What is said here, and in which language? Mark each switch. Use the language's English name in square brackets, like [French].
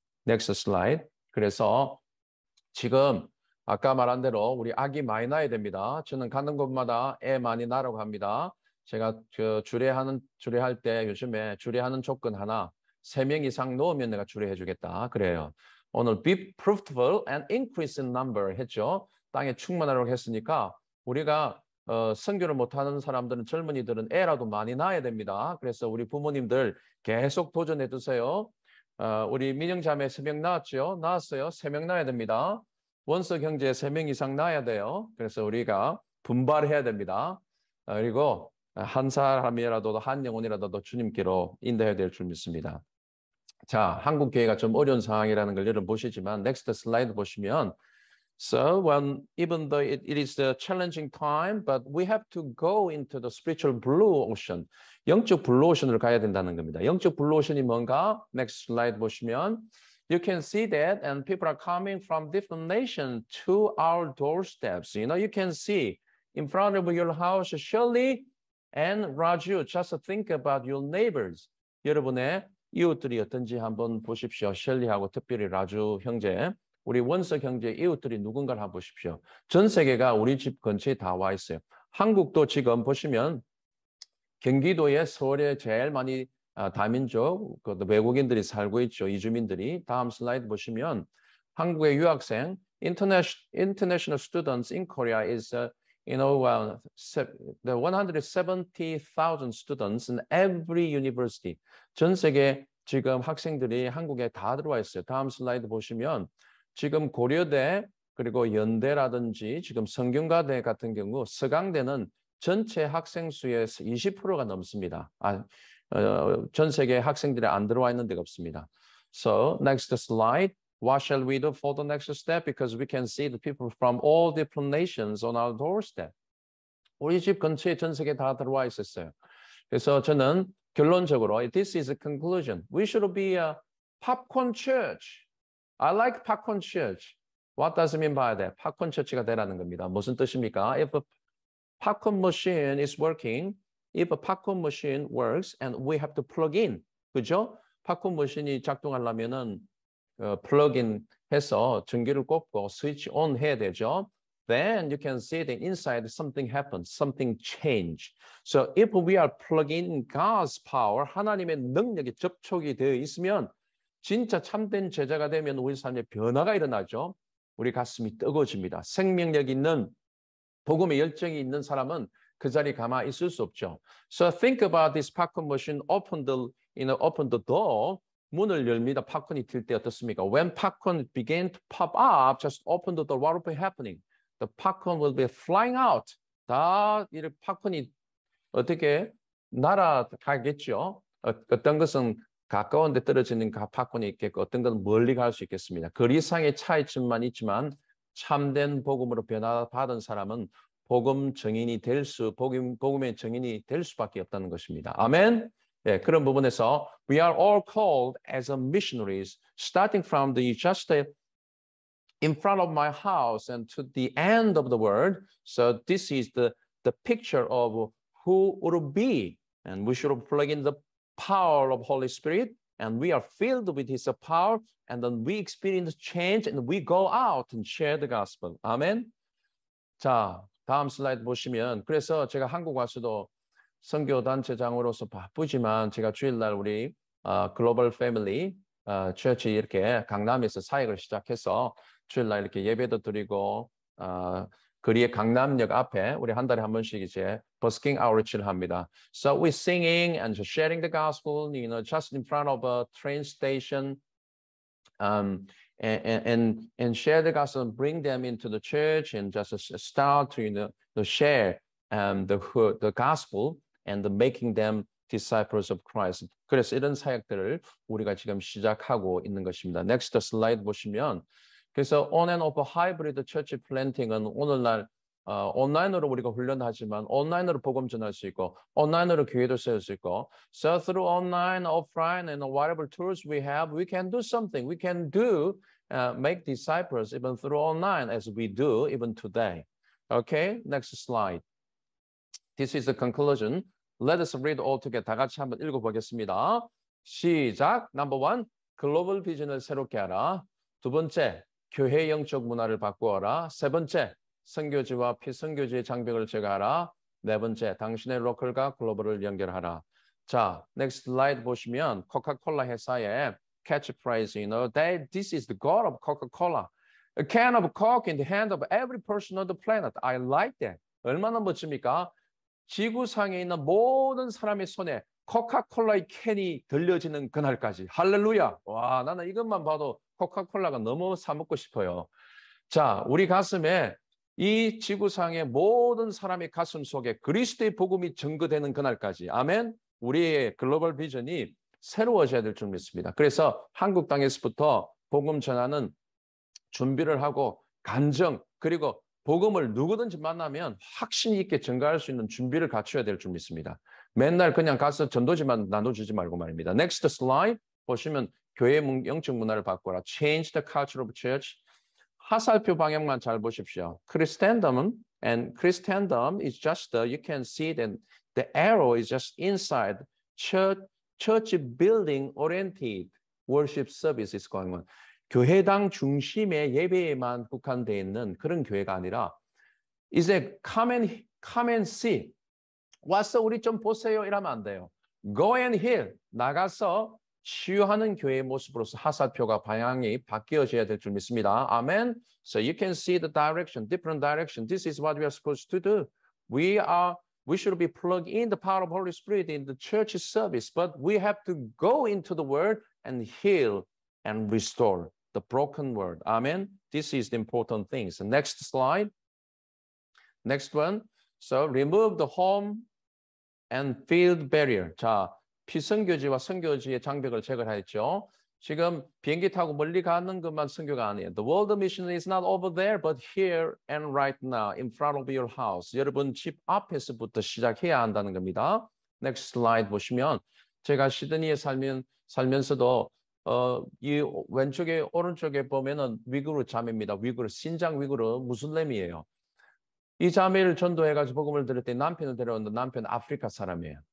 [English] Next slide. [Korean] 그래서 지금 아까 말한 대로 우리 아기 많이 낳아야 됩니다. 저는 가는 곳마다 애 많이 낳으라고 합니다. 제가 주례할 때 요즘에 주례하는 조건 하나, 3명 이상 놓으면 내가 주례해주겠다 그래요. 오늘 [English] be fruitful and increase in number [Korean] 했죠. 땅에 충만하라고 했으니까 우리가 선교를 못하는 사람들은 젊은이들은 애라도 많이 낳아야 됩니다. 그래서 우리 부모님들 계속 도전해두세요. 우리 민영 자매 3명 낳았죠? 낳았어요? 3명 낳아야 됩니다. 원석 형제 세 명 이상 나야 돼요. 그래서 우리가 분발해야 됩니다. 그리고 한 사람이라도 한 영혼이라도 주님께로 인도해야 될 줄 믿습니다. 자, 한국 교회가 좀 어려운 상황이라는 걸 여러분 보시지만 넥스트 슬라이드 보시면 [English] So when even though it is a challenging time, but we have to go into the spiritual blue ocean. [Korean] 영적 블루 오션을 가야 된다는 겁니다. 영적 블루 오션이 뭔가? [English] Next slide [Korean] 보시면 [English] you can see that and people are coming from different nations to our doorsteps. You know, you can see in front of your house, Shirley and Raju. Just think about your neighbors. [Korean] 여러분의 이웃들이 어떤지 한번 보십시오. Shirley하고 특별히 Raju 형제. 우리 원석 형제 이웃들이 누군가를 한번 보십시오. 전 세계가 우리 집 근처에 다 와 있어요. 한국도 지금 보시면 경기도에 서울에 제일 많이 다민족, 외국인들이 살고 있죠. 이주민들이. 다음 슬라이드 보시면 한국의 유학생, [English] international students in Korea is, you know, 170,000 students in every university. [Korean] 전 세계 지금 학생들이 한국에 다 들어와 있어요. 다음 슬라이드 보시면 지금 고려대 그리고 연대라든지 지금 성균관대 같은 경우 서강대는 전체 학생 수의 20%가 넘습니다. 전 세계 학생들이 안 들어와 있는 데가 없습니다. [English] So next slide. What shall we do for the next step? Because we can see the people from all different nations on our doorstep. [Korean] 우리 집 근처에 전 세계 다 들어와 있었어요. 그래서 저는 결론적으로 [English] this is a conclusion. We should be a popcorn church. I like popcorn church. What does it mean by that? Popcorn church [Korean] 가 되라는 겁니다. 무슨 뜻입니까? [English] If a popcorn machine is working, if a popcorn machine works and we have to plug in, [Korean] 그죠? Popcorn machine이 작동하려면은 plug-in 해서 전기를 꽂고 [English] switch on [Korean] 해야 되죠. [English] Then you can see the inside something happens, something change. So if we are plug-in God's power, [Korean] 하나님의 능력이 접촉이 되어 있으면 진짜 참된 제자가 되면 우리 삶에 변화가 일어나죠. 우리 가슴이 뜨거워집니다. 생명력 있는, 복음의 열정이 있는 사람은 그 자리 가만히 있을 수 없죠. [English] So think about this popcorn machine open the door. [Korean] 문을 열니다. 팝콘이 튈 때 어떻습니까? [English] When popcorn began to pop up, just open the door. What will be happening? The popcorn will be flying out. [Korean] 다 이렇게 팝콘이 어떻게 날아가겠죠? 어떤 것은 가까운 데 떨어지는 팝콘이 있겠고 어떤 건 멀리 갈 수 있겠습니다. 거리상의 차이점만 있지만 참된 복음으로 변화받은 사람은 복음 증인이 될 수, 복음의 증인이 될 수밖에 없다는 것입니다. 아멘. 예, 그런 부분에서 [English] we are all called as a missionaries starting from the just in front of my house and to the end of the world. So this is the picture of who would be and we should plug in the power of Holy Spirit and we are filled with his power and then we experience change and we go out and share the gospel. [Korean] 아멘. 자, 다음 슬라이드 보시면 그래서 제가 한국 와서도 선교단체장으로서 바쁘지만 제가 주일날 우리 글로벌 패밀리 처치 이렇게 강남에서 사역을 시작해서 주일날 이렇게 예배도 드리고 거리의 강남역 앞에 우리 한 달에 한 번씩 이제 버스킹 아웃리치를 합니다. [English] So we singing and just sharing the gospel, you know, just in front of a train station, and share the gospel, and bring them into the church, and just start to share the gospel and the making them disciples of Christ. [Korean] 그래서 이런 사역들을 우리가 지금 시작하고 있는 것입니다. Next slide 보시면. 그래서 on and off hybrid church planting은 오늘날 온라인으로 우리가 훈련하지만 온라인으로 복음 전할 수 있고 온라인으로 교회도 세울 수 있고 [English] So through online, offline and whatever tools we have, we can do something. We can do, make disciples even through online as we do even today. Okay, next slide. This is the conclusion. Let us read all together. [Korean] 다 같이 한번 읽어보겠습니다. 시작! [English] Number one, global vision을 [Korean] 새롭게 하라. 두 번째, 교회 영적 문화를 바꾸어라. 세 번째, 선교지와 피선교지의 장벽을 제거하라. 네 번째, 당신의 로컬과 글로벌을 연결하라. [English] 자, next slide [Korean] 보시면 코카콜라 회사의 [English] catchphrase, you know, this is the goal of Coca-Cola. A can of Coke in the hand of every person on the planet. I like that. [Korean] 얼마나 멋집니까? 지구상에 있는 모든 사람의 손에 코카콜라의 캔이 들려지는 그날까지. 할렐루야. 와, 나는 이것만 봐도 코카콜라가 너무 사 먹고 싶어요. 자, 우리 가슴에 이 지구상의 모든 사람의 가슴 속에 그리스도의 복음이 증거되는 그날까지 아멘. 우리의 글로벌 비전이 새로워져야 될 줄 믿습니다. 그래서 한국 땅에서부터 복음 전하는 준비를 하고 간증 그리고 복음을 누구든지 만나면 확신 있게 증거할 수 있는 준비를 갖춰야 될 줄 믿습니다. 맨날 그냥 가서 전도지만 나눠주지 말고 말입니다. Next slide 보시면 교회 영적 문화를 바꾸라. [English] Change the culture of church. [Korean] 화살표 방향만 잘 보십시오. [English] Christendom and Christendom is just the, you can see that the arrow is just inside church building oriented worship services going on. [Korean] 교회당 중심의 예배에만 국한되어 있는 그런 교회가 아니라 이제 [English] come and see. [Korean] 와서 우리 좀 보세요 이러면 안 돼요. [English] Go and heal. [Korean] 나가서 치유하는 교회의 모습으로서 하사표가 방향이 바뀌어져야 될 줄 믿습니다. 아멘. [English] So you can see the direction, different direction. This is what we are supposed to do. We should be plugged in the power of Holy Spirit in the church service, but we have to go into the world and heal and restore the broken world. Amen. This is the important thing. So next slide. Next one. So remove the home and field barrier. [Korean] 자, 비선교지와 선교지의 장벽을 제거하였죠. 지금 비행기 타고 멀리 가는 것만 선교가 아니에요. [English] The world mission is not over there, but here and right now, in front of your house. [Korean] 여러분 집 앞에서부터 시작해야 한다는 겁니다. Next slide 보시면 제가 시드니에 살면서도 이 왼쪽에 오른쪽에 보면은 위구르 자매입니다. 위구르 신장 위구르 무슬림이에요. 이 자매를 전도해가지고 복음을 들었더니 남편을 데려왔는데 남편은 아프리카 사람이에요.